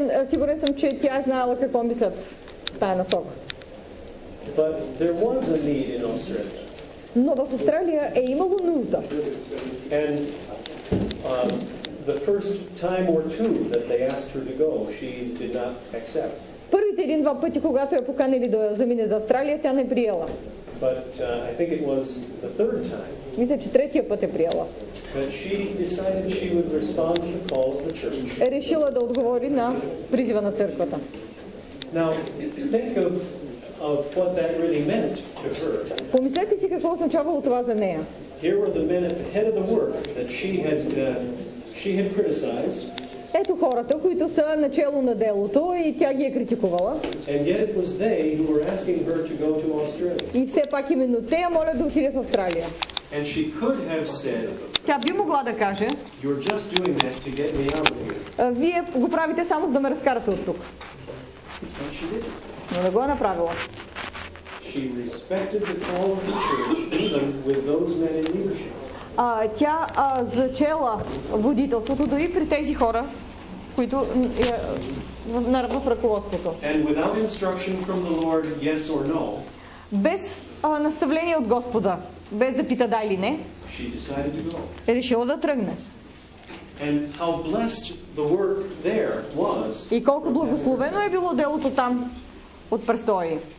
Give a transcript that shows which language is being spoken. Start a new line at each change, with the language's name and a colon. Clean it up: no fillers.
Bulgarian: Сигурен съм, че тя е знаела какво мислят в тая насока.
English: But there was a need in Australia.
Bulgarian: Но в Австралия е имало нужда.
English: And the first time or two that they asked her to go, she did not accept.
Bulgarian: Първите един-два пъти, когато я поканили да замине за Австралия, тя не приела.
English: But I think it was the third time.
Bulgarian: Мисля, че третия път е приела.
English: But she decided she would respond to the call of the church.
Bulgarian: Е решила да отговори на призива на църквата.
English: Now, think of what that really meant to her.
Bulgarian: Помислете си какво означавало това за нея.
English: Here were the men at the head of the work that she had criticized.
Bulgarian: Ето хората, които са начело на делото и тя ги е критикувала.
English: And yet it was they who were asking her to go to Australia.
Bulgarian: И все пак именно те я молят да отиде в Австралия.
English: And she could have said,
Bulgarian: тя би могла да каже,
English: you're just doing that to get me out of here.
Bulgarian: Вие го правите само за да ме разкарате от тук. Но не го е направила.
English: She respected the call of the church, even with those men in leadership.
Bulgarian: Тя зачела водителството дори при тези хора, които в ръководството.
English: And without instruction from the Lord, yes or no,
Bulgarian: без наставление от Господа, без да пита да или не,
English: she decided to go.
Bulgarian: Е решила да тръгне.
English: And how blessed the work there was,
Bulgarian: и колко благословено е било делото там от престои.